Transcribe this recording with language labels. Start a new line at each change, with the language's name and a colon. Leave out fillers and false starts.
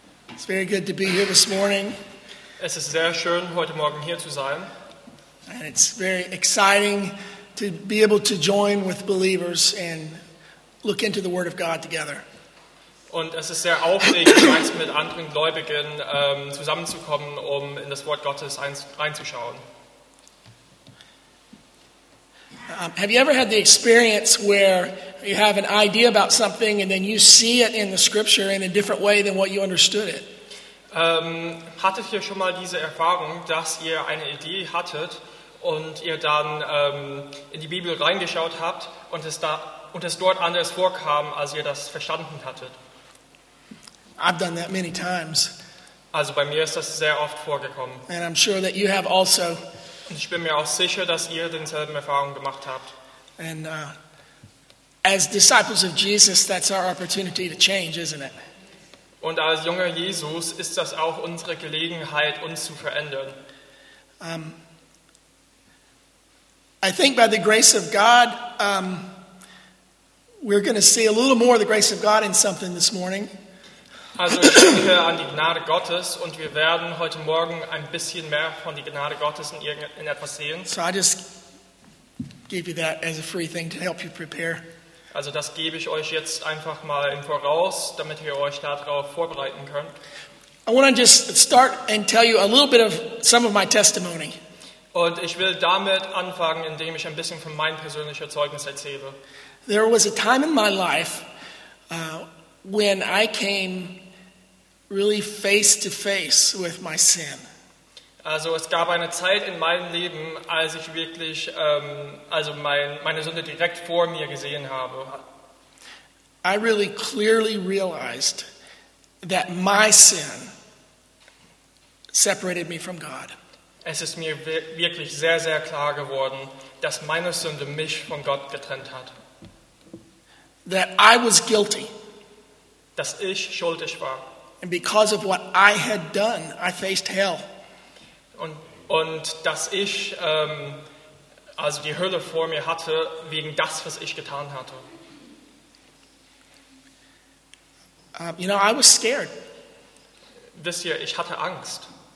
English: It's very good to be here this morning.
German: Es ist sehr schön, heute Morgen hier zu sein.
English: And it's very exciting to be able to join with believers and look into the Word of God together.
German: Und es ist sehr aufregend, mit anderen Gläubigen zusammenzukommen, um in das Wort Gottes reinzuschauen.
English: Have you ever had the experience where you have an idea about something and then you see it in the scripture in a different way than what you understood it?
German: Hattet ihr schon mal diese Erfahrung, dass ihr eine Idee hattet und ihr dann in die Bibel reingeschaut habt und es dort anders vorkam, als ihr das verstanden hattet?
English: I've done that many times.
German: Also bei mir ist das sehr oft vorgekommen.
English: And I'm sure that you have also.
German: Und ich bin mir auch sicher, dass ihr denselben Erfahrungen gemacht habt.
English: And as disciples of Jesus, that's our opportunity to change, isn't it?
German: Und als junger Jesus ist das auch unsere Gelegenheit, uns zu verändern.
English: I think by the grace of God, we're going to see a little more of the grace of God in something this morning.
German: Also ich denke an die Gnade Gottes und wir werden heute Morgen ein bisschen mehr von der Gnade Gottes in etwas sehen.
English: So I just give you that as a free thing to help you prepare.
German: Also das gebe ich euch jetzt einfach mal im Voraus, damit ihr euch darauf vorbereiten könnt.
English: I want to just start and tell you a little bit of some of my testimony.
German: Und ich will damit anfangen, indem ich ein bisschen von meinem persönlichen Zeugnis erzähle.
English: There was a time in my life when I came really face to face with my sin.
German: Also es gab eine Zeit in meinem Leben, als ich wirklich meine Sünde direkt vor mir gesehen habe.
English: I really clearly realized that my sin separated me from God.
German: Es ist mir wirklich sehr, sehr klar geworden, dass meine Sünde mich von Gott getrennt hat.
English: That I was guilty.
German: Dass ich schuldig war.
English: And because of what I had done, I faced hell.
German: Und dass ich also die Hölle vor mir hatte, wegen das, was ich getan hatte.
English: You know, I was scared.
German: Wisst ihr, ich hatte Angst.